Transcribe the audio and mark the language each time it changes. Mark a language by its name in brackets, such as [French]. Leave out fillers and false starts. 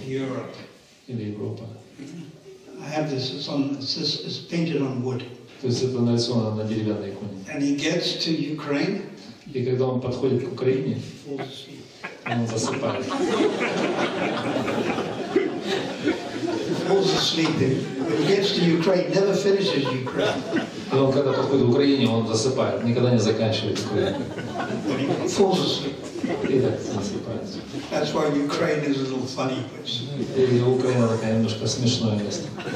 [English] Europe. [Russian] Или Европа. [English] I have this, it's painted on wood. [Russian] То есть это нарисовано на деревянной иконе. [English] And he gets to Ukraine. [Russian] И когда он подходит к Украине, он засыпает. [English] Falls asleep. When he gets to Ukraine, never finishes Ukraine. [Russian] А он когда подходит к Украине, он засыпает, никогда не заканчивает Украину. [English] Falls asleep. [Russian] И так засыпает. [English] That's why Ukraine is a little funny place. [Russian] И Украина такая немножко смешное место.